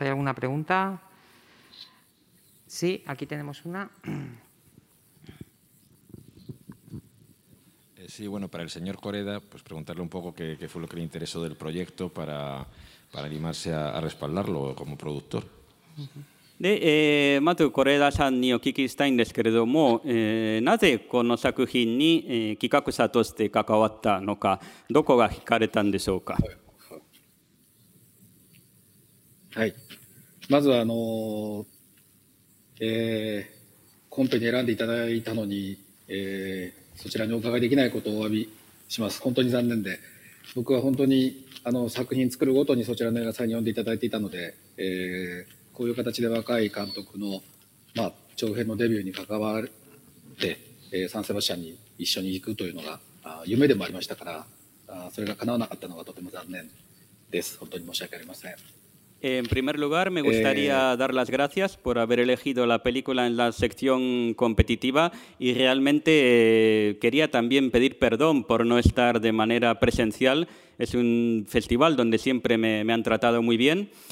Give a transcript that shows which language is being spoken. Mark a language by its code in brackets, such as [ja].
[es] ¿Hay alguna pregunta? Sí, aquí tenemos una. Sí, bueno, para el señor Koreeda, pues preguntarle un poco qué fue lo que le interesó del proyecto para animarse a respaldarlo como productor. Uh-huh. [ja] でまず是枝さんにお聞きしたいんですけれども、なぜこの作品に、企画者として関わったのか、どこが惹かれたんでしょうか。はい、まずは、コンペに選んでいただいたのに、そちらにお伺いできないことをお詫びします。本当に残念で、僕は本当に作品作るごとにそちらの映画祭に呼んでいただいていたので、こういう形で若い監督の、まあ、長編のデビューに関わって、サンセバスチャンに一緒に行くというのが夢でもありましたから、それが叶わなかったのがとても残念です。本当に申し訳ありません。 [es] En primer lugar, me gustaría dar las gracias por haber elegido la película en la sección competitiva, y realmente quería también pedir perdón por no estar de manera presencial. Es un festival donde siempre me han tratado muy bien.